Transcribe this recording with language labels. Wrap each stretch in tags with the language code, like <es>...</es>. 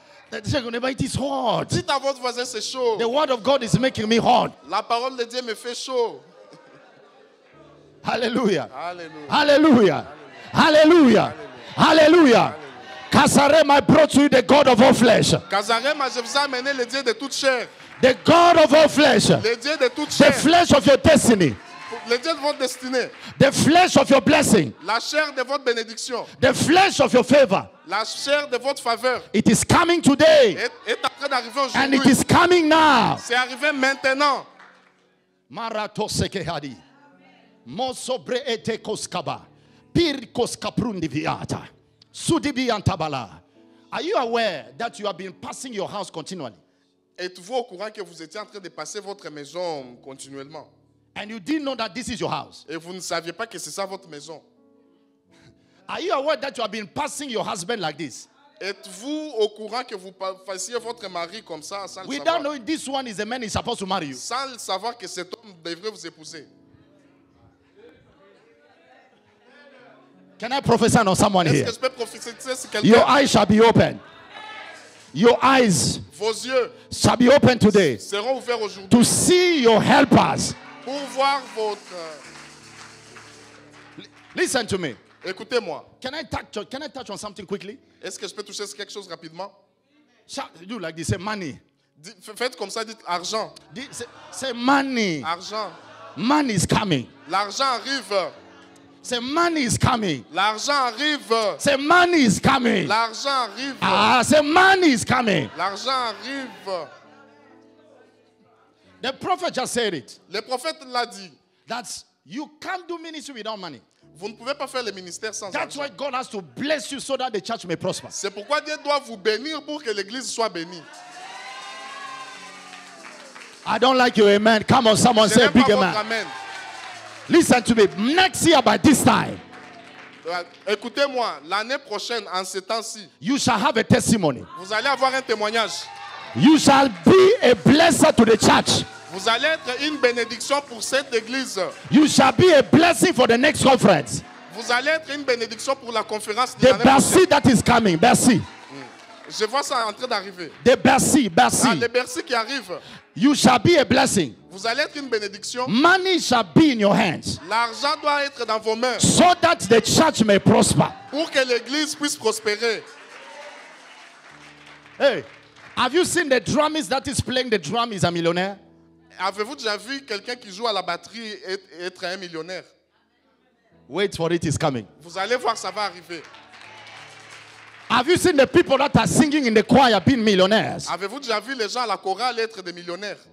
<en>Tell your neighbor it is hot.</en> <fr>Dites à votre voisin, c'est chaud.</fr> <en>The word of God is making me hot.</en> <fr>La parole de Dieu me fait chaud. Hallelujah. Hallelujah. Hallelujah. Hallelujah. Hallelujah.</fr> <en>Kazarem, I brought to you the God of all flesh.</en> <fr>Kazarem, je vous ai amené le Dieu de toute chair.</fr> <en>The God of all flesh.</en> <fr>Le Dieu de toute chair.</fr> <en>The flesh of your destiny.</en> <fr>Le Dieu de votre destinée.</fr> <en>The flesh of your blessing.</en> <fr>La chair de votre bénédiction.</fr> <en>The flesh of your favor.</en> <fr>La chair de votre faveur.</fr> <en>It is coming today.</en> <fr>Est en train d'arriver aujourd'hui.</fr> <en>And it is coming now.</en> <fr>C'est arrivé maintenant. Marato sekehadi. Mosobre ete koskaba. Pir koskaprundi viata. Sudibi antabala.</fr> <en>Are you aware that you have been passing your house continually?</en> <fr>Êtes-vous au courant que vous étiez en train de passer votre maison continuellement?</fr> <en>And you didn't know that this is your house.</en> <fr>Et vous ne saviez pas que c'est ça votre maison.</fr> <en>Are you aware that you have been passing your husband like this?</en> <fr>Êtes-vous au courant que vous passiez votre mari comme ça sans</fr> <en>we</en> <fr>le savoir?</fr> <en>We don't know this one is the man he's supposed to marry you.</en> <fr>Sans savoir que cet homme devrait vous épouser.</fr> <en>Can I prophesy on someone</en> <fr>est-ce</fr> <en>here?</en> <fr>Que je peux prophétiser sur quelqu'un?</fr> <en>Your eyes shall be open. Your eyes,</en> <fr>vos yeux,</fr> <en>shall be open today.</en> <fr>Seront ouverts aujourd'hui.</fr> <en>To see your helpers.</en> <fr>Pour voir votre.</fr> <en>Listen to me.</en> <fr>Écoutez-moi.</fr> <en>Can I touch on something quickly?</en> <fr>Est-ce que je peux toucher quelque chose rapidement?</fr> <en>Do like this. Say money.</en> <fr>Faites comme ça. Dites argent.</fr> <en>Say money.</en> <fr>Argent.</fr> <en>Money is coming.</en> <fr>L'argent arrive.</fr> <en>Say money is coming.</en> <fr>L'argent arrive.</fr> <en>Say money is coming.</en> <fr>L'argent arrive.</fr> <en>Say money is coming.</en> <fr>L'argent arrive.</fr> <en>The prophet just said it.</en> <fr>Le prophète l'a dit.</fr> <en>That you can't do ministry without money.</en> <fr>Vous ne pouvez pas faire le ministère sans argent.</fr> <en>That's why God has to bless you so that the church may prosper.</en> <fr>C'est pourquoi Dieu doit vous bénir pour que l'église soit bénie.</fr> <en>I don't like your amen. Come on, someone say a big amen. Listen to me. Next year by this time,</en> <fr>Écoutez-moi, l'année prochaine, en ce temps-ci,</fr> <en>you shall have a testimony.</en> <fr>Vous allez avoir un témoignage.</fr> <en>You shall be a blessing to the church.</en> <fr>Vous allez être une bénédiction pour cette église.</fr> <en>You shall be a blessing for the next conference.</en> <fr>Vous allez être une bénédiction pour la conférence.</fr> <en>The Bercy that is coming, Bercy.</en> <fr>Je vois ça en train d'arriver.</fr> <en>The Bercy, Bercy.</en> <fr>Ah, le Bercy qui arrive.</fr> <en>You shall be a blessing.</en> <fr>Vous allez être une bénédiction.</fr> <en>Money shall be in your hands.</en> <fr>L'argent doit être dans vos mains.</fr> <en>So that the church may prosper.</en> <fr>Pour que l'église puisse prospérer.</fr> <en>Hey, have you seen the drummer that is playing the drum is a millionaire?</en> <fr>Avez-vous déjà vu quelqu'un qui joue à la batterie être un millionnaire?</fr> <en>Wait for it, it's coming.</en> <fr>Vous allez voir, ça va arriver.</fr> <en>Have you seen the people that are singing in the choir being millionaires?</en> <fr>Avez-vous déjà vu les gens à la chorale être des millionnaires?</fr>